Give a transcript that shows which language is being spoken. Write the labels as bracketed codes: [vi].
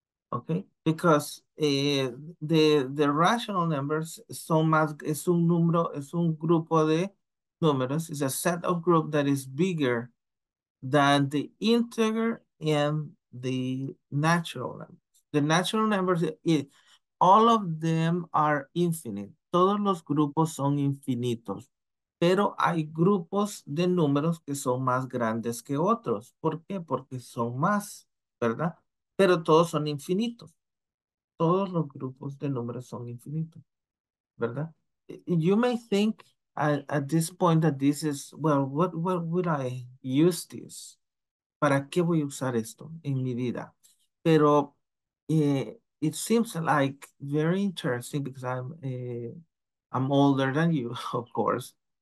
[en] Okay, because the rational numbers [es] son más, es un grupo de números, [en] is a set of group that is bigger than the integer and the natural numbers. The natural numbers, all of them are infinite. [es] Todos los grupos son infinitos, pero hay grupos de números que son más grandes que otros. ¿Por qué? Porque son más, ¿verdad? Pero todos son infinitos. Todos los grupos de números son infinitos, ¿verdad? [en] You may think at this point that this is, well, what would I use this? [es] ¿Para qué voy a usar esto en mi vida? [en] Pero it seems like very interesting because I'm older than you, of course.